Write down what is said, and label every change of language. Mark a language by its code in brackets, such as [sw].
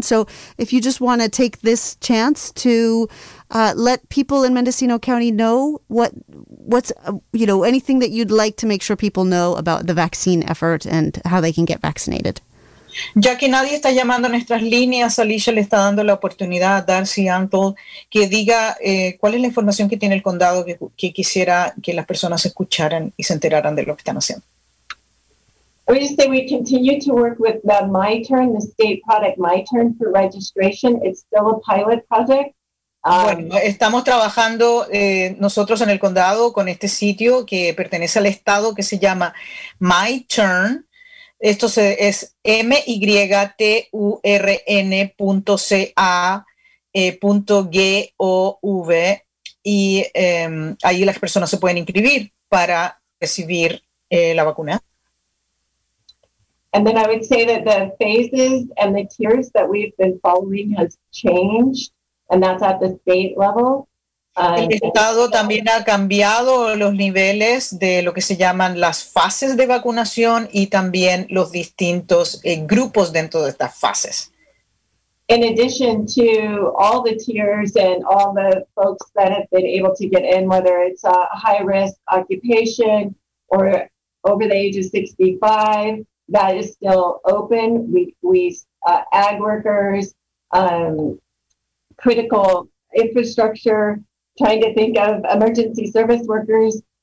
[en] So if you just want to take this chance to let people in Mendocino County know what's anything that you'd like to make sure people know about the vaccine effort and how they can get vaccinated. [es] Ya que nadie está llamando a nuestras líneas, Alicia le está dando la oportunidad a Darcy Antle que diga cuál es la información que tiene el condado que quisiera que las personas escucharan y se enteraran de lo que están haciendo. [en] We just say we continue to work with the MyTurn, the state product MyTurn for registration. It's still a pilot project. [es] Bueno, estamos trabajando nosotros en el condado con este sitio que pertenece al estado que se llama MyTurn. Esto es myturn.ca.gov y ahí las personas se pueden inscribir para recibir la vacuna. [en] And then I would say that the phases and the tiers that we've been following has changed, and that's at the state level. [es] El estado también ha cambiado los niveles de lo que se llaman las fases de vacunación y también los distintos grupos dentro de estas fases. [en] In addition to all the tiers and all the folks that have been able to get in, whether it's a high risk occupation or over the age of 65, that is still open. We ag workers, critical infrastructure, trying to think of emergency service workers.